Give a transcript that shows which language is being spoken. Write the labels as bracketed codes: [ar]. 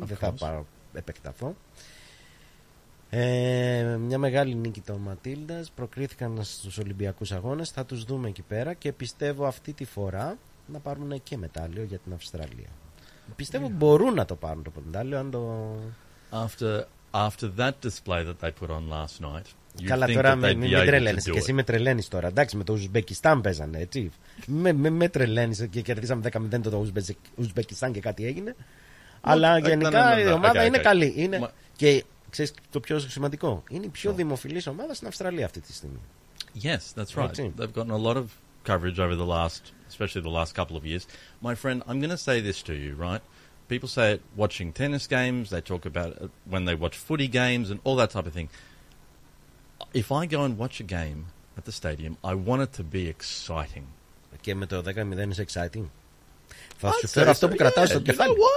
[el] Αφήσω. Δεν θα επεκταθώ. Μια μεγάλη νίκη των Ματίλντας. Προκρίθηκαν στους Ολυμπιακούς Αγώνες. Θα τους δούμε εκεί πέρα και πιστεύω αυτή τη φορά να πάρουν και μετάλλιο για την Αυστραλία. Πιστεύω yeah. μπορούν να το πάρουν το μετάλλιο αν το. [en] After that display that they put on last night. [el] Καλά, τώρα μην τρελαίνεσαι. Και εσύ με τρελαίνεις τώρα. Εντάξει, με το Ουσμπεκιστάν παίζανε, έτσι. Με τρελαίνεις και κερδίσαμε 10-0 το Ουσμπεκιστάν και κάτι έγινε. Αλλά γενικά η ομάδα είναι καλή. Και ξέρεις το πιο σημαντικό. Είναι η πιο δημοφιλής ομάδα στην Αυστραλία αυτή τη στιγμή. [en] Yes, that's right. They've gotten a lot of coverage over the last, especially the last couple of years. My friend, I'm going to say this to you, right? People say it watching tennis games, they talk about it when they watch footy games and all that type of thing. If I go and watch a game at the stadium, I want it to be exciting. [el] Και με το 10-0 is exciting. Θα σου φέρω αυτό που κρατάω στο κεφάλι.